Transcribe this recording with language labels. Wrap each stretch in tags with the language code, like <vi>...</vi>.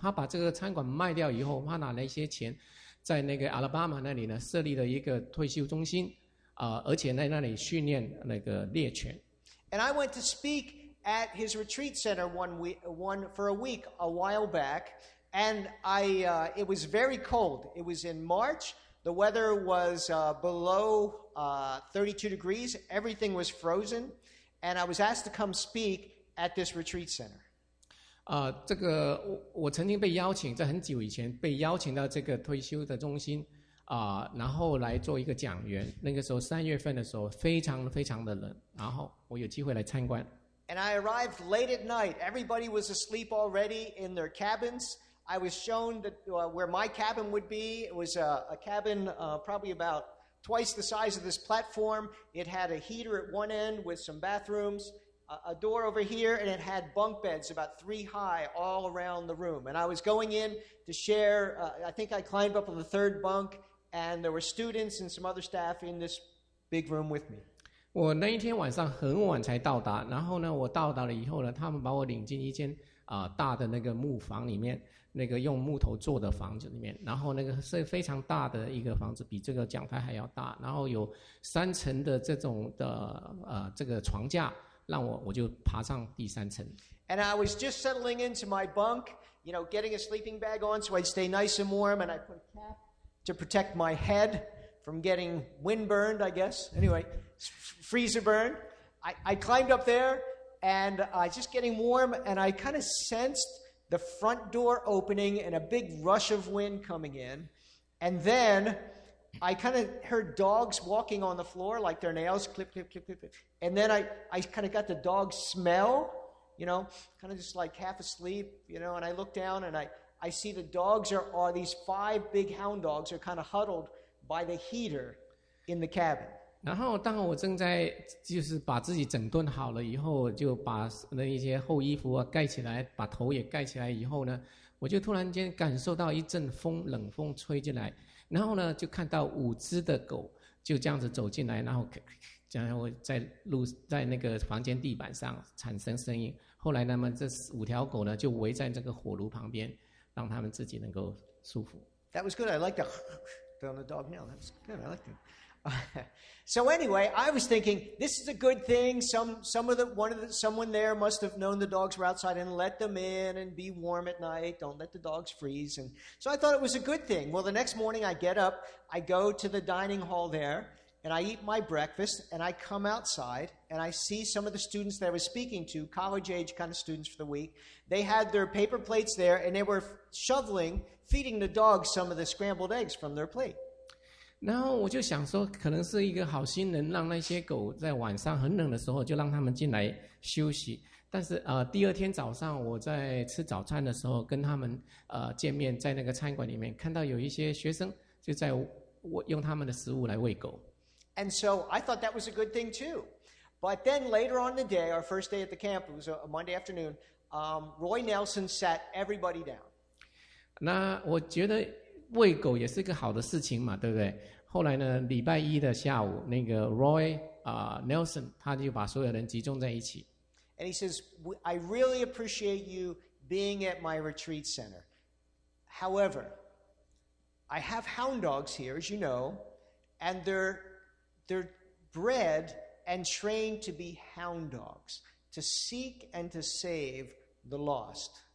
<zh>他把这个餐馆卖掉以后，他拿了一些钱，在那个 Alabama 那里呢，设立了一个退休中心，而且在那里训练那个猎犬。</zh> <en>And I went to speak. At his retreat center for a week a while back, and it was very cold. It was in March. The weather was below 32 degrees. Everything was frozen, and I was asked to come speak at this retreat center.</en> <zh>这个我曾经被邀请，在很久以前被邀请到这个退休的中心，然后来做一个讲员。那个时候三月份的时候，非常非常的冷，然后我有机会来参观。</zh> <en>And I arrived late at night. Everybody was asleep already in their cabins. I was shown where my cabin would be. It was a cabin probably about twice the size of this platform. It had a heater at one end with some bathrooms, a door over here, and it had bunk beds about three high all around the room. And I was going in to share. I think I climbed up on the third bunk, and there were students and some other staff in this big room with me.</en> <zh>我那一天晚上很晚才到达，然后呢，我到达了以后呢，他们把我领进一间大的那个木房里面，那个用木头做的房子里面，然后那个是非常大的一个房子，比这个讲台还要大，然后有三层的这种的这个床架，让我就爬上第三层。</zh> <en>And I was just settling into my bunk, you know, getting a sleeping bag on so I'd stay nice and warm, and I put a cap to protect my head. From getting wind burned, I guess. Anyway, freezer burn. I climbed up there, and just getting warm, and I kind of sensed the front door opening and a big rush of wind coming in. And then I kind of heard dogs walking on the floor, like their nails, clip, clip, clip, clip. And then I kind of got the dog smell, you know, kind of just like half asleep, you know, and I look down, and I see the dogs are these five big hound dogs are kind of huddled. By the heater in the cabin.</en> <zh>然后当我正在就是把自己整顿好了以后，就把那一些厚衣服啊盖起来，把头也盖起来以后呢，我就突然间感受到一阵风，冷风吹进来，然后呢就看到五只的狗就这样子走进来，然后这样在那个房间地板上产生声音。后来那么这五条狗呢就围在这个火炉旁边，让他们自己能够舒服。</zh> <en>That was good. I liked it. On the dog nail. That's good. I like that. So anyway, I was thinking, this is a good thing. Someone there must have known the dogs were outside and let them in and be warm at night. Don't let the dogs freeze. And so I thought it was a good thing. Well, the next morning I get up, I go to the dining hall there and I eat my breakfast and I come outside and I see some of the students that I was speaking to, college age kind of students for the week. They had their paper plates there and they were shoveling. Feeding the dogs some of the scrambled eggs from their plate.</en> <zh>然后我就想说，可能是一个好心人，让那些狗在晚上很冷的时候就让他们进来休息。但是第二天早上我在吃早餐的时候跟他们见面，在那个餐馆里面看到有一些学生就在用他们的食物来喂狗。</zh> <en>And so I thought that was a good thing too. But then later on in the day, our first day at the camp, it was a Monday afternoon. Roy Nelson sat everybody down.</en> <zh>那我觉得喂狗也是个好的事情嘛，对不对？后来呢，礼拜一的下午，那个 Roy Nelson 他就把所有人集中在一起。</zh> <en>And he says, I really appreciate you being at my retreat center. However, I have hound dogs here, as you know, and they're bred and trained to be hound dogs, to seek and to save the lost.</en>